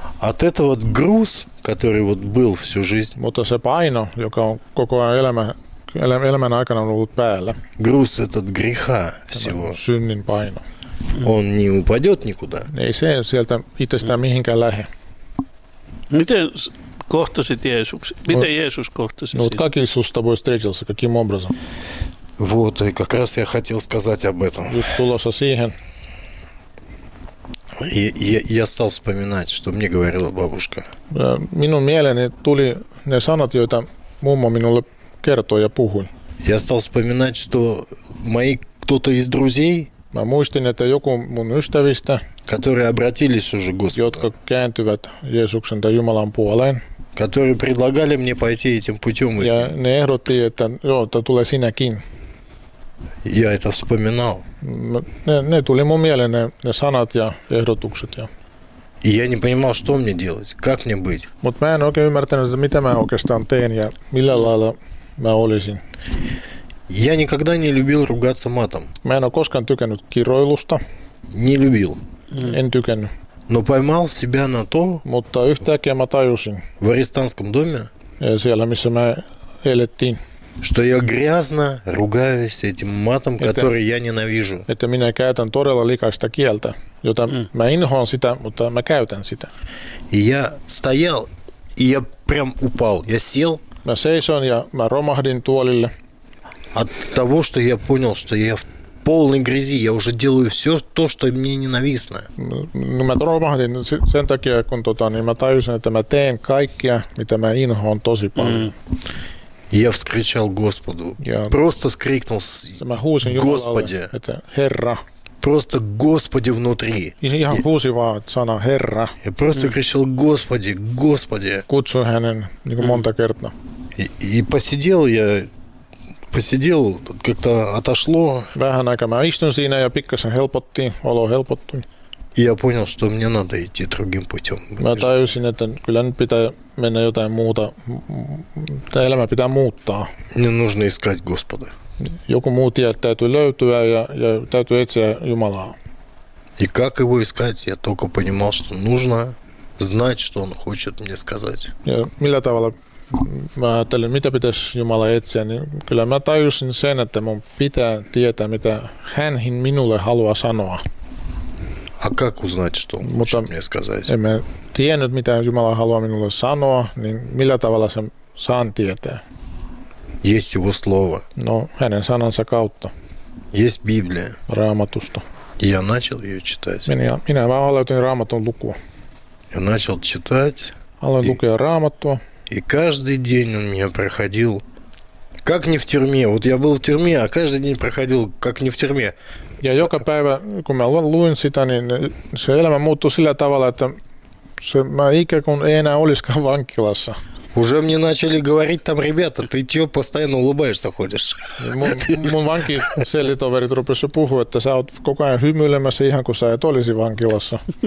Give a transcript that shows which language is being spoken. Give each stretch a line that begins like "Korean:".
Russian: От этого вот груз, который вот был всю жизнь.
Finnish: Mutta se paino, joka on koko ajan elämän aikana ollut päällä.
Russian: Груз этот греха всего.
Finnish: Synnin paino.
Russian: Он не упадет никуда.
Finnish: Ei se sieltä itsestään mihinkään lähe. Miten kohtasit Jeesuksen? Miten Jeesus kohtasi sinut?
Russian: Как Иисус с тобой встретился? Каким образом? Вот, и как раз я хотел сказать об этом.
Finnish: Just tulossa siihen.
Russian: Я стал вспоминать, что мне говорила бабушка.
Finnish: Minun mieleeni tuli ne sanat, joita mummo minulle kertoi ja puhui.
Russian: Я стал вспоминать, что мои кто-то из друзей.
Finnish: Mä muistin, että joku mun ystävistä,
Russian: которые обратились уже Господу,
Finnish: jotka kääntyvät Jeesuksen tai Jumalan puoleen,
Russian: которые предлагали мне пойти этим путем,
Finnish: ja ne ehdotti, että joo, että tule sinäkin.
Russian: Я это вспоминал.
Finnish: Ne tuli mun mieleen ne sanat ja ehdotukset. Ja.
Russian: И я не понимал, что мне делать, как мне быть.
Finnish: Mut mä en oikein ymmärtänyt, että mitä mä oikeastaan teen ja millä lailla mä olisin.
Russian: Я никогда не любил ругаться матом.
Finnish: Mä en ole koskaan tykännyt kiroilusta.
Russian: Не любил.
Finnish: En tykännyt.
Russian: Но поймал себя на то.
Finnish: Mutta yhtäkkiä mä tajusin.
Russian: В арестантском доме.
Finnish: Siellä, missä mä elettiin.
Russian: Что я грязно ругаюсь этим матом, который я ненавижу.
Finnish: Että minä käytän todella likaista kieltä, jota mä inhoan sitä, mutta mä käytän sitä.
Russian: И я стоял, и я прям упал, я сел.
Finnish: Mä seison ja mä romahdin tuolille.
Russian: От того, что я понял, что я в полной грязи, я уже делаю все то, что мне ненавистно.
Finnish: Ну, mä romahdin sen takia, kun mä tajusin, että mä teen kaikkea, mitä mä inhoan tosi paljon.
Russian: Я вскричал Господу. Просто вскрикнул.
Finnish: Mä huusin Jumalalle, että Herra.
Russian: Просто Господи внутри.
Finnish: Ihan huusin vaan sana Herra.
Russian: Я просто кричал Господи, Господи.
Finnish: Kutsu hänen niin kuin monta kertaa.
Russian: И посидел я. Посидел, как-то отошло.
Finnish: Vähän aikaa mä istun siinä ja pikkasen helpottiin, olo helpottui.
Russian: И я понял, что мне надо идти другим путем.
Finnish: Mä tajusin, että kyllä nyt pitää mennä jotain muuta, tai elämä pitää muuttaa.
Russian: Не нужно искать Господа.
Finnish: Joku muu tie täytyy löytyä ja täytyy etsiä Jumalaa.
Russian: И как его искать, я только понимал, что нужно знать, что он хочет мне сказать.
Finnish: Ja millä tavalla? Mä ajattelin, mitä pitäisi Jumala etsiä, niin kyllä mä tajusin sen, että mun pitää tietää, mitä hänhin minulle haluaa sanoa.
Russian: A как узнать, что он хочет мне сказать?
Finnish: En mä tiennyt, mitä Jumala haluaa minulle sanoa, niin millä tavalla sen saan tietää?
Russian: Есть его слово.
Finnish: No, hänen sanansa kautta.
Russian: Есть Библия.
Finnish: Raamatusta.
Russian: И я начал ее читать.
Finnish: Minä vaan aloitin Raamatun lukua.
Russian: Я начал читать.
Finnish: Aloin lukea Raamattua.
Russian: И каждый день он меня проходил, как не в тюрьме. Вот я был в тюрьме, а каждый день проходил, как не в тюрьме.
Finnish: Ja joka päivä, kun mä luin sitä, niin se elämä muuttui sillä tavalla, että se, mä ikään kuin ei enää olisikaan vankilassa.
Russian: Уже мне начали говорить там, ребята, ты чё постоянно улыбаешься ходишь?
Finnish: Mun vankiselitoverit rupesi puhua, että sä oot koko ajan hymyilemässä ihan kuin sä et olisi vankilassa.